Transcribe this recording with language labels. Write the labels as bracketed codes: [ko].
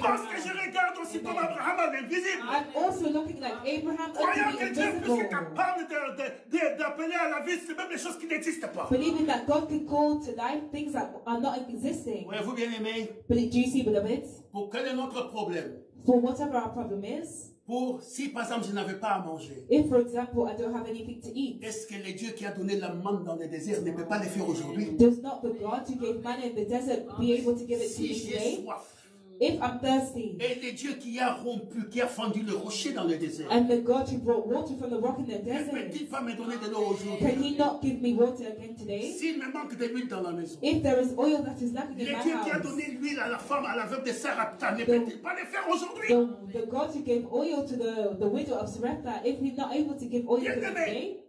[fr] Parce que je regarde aussi comme Abraham à l'invisible. [en] I'm also looking like Abraham at the invisible. [fr] Croyant que Dieu puisse être capable d'appeler à la vie, c'est même les choses qui n'existent pas. [en] Believing that God can call to life things that are not existing. [fr] Voyez-vous bien aimé? [en] But do you see, beloved? [fr] Pour quel est notre problème? [en] For whatever our problem is. [fr] Pour si par exemple je n'avais pas à manger. [en] If for example I don't have anything to eat. [fr] Est-ce que le Dieu qui a donné la manne dans le désert ne peut pas le faire aujourd'hui? [en] Does not the God who gave manna in the desert be able to give it [fr] si [en] to me today? [fr] Si j'ai soif. [en] If I'm thirsty. [fr] Et le Dieu qui a rompu, qui a fendu le rocher dans le désert. [en] And the God who brought water from the rock in the desert. [fr] Ne peut-il pas me donner de l'eau aujourd'hui? [en] Can he not give me water again today? [fr] S'il me manque de l'huile dans la maison. [en] If there is oil that is lacking in my house. [fr] Le Dieu qui a donné l'huile à la femme, à la veuve de Sarepta, ne peut-il pas le faire aujourd'hui? [en] The God who gave oil to the widow of Sarepta, if he's not able to give oil today.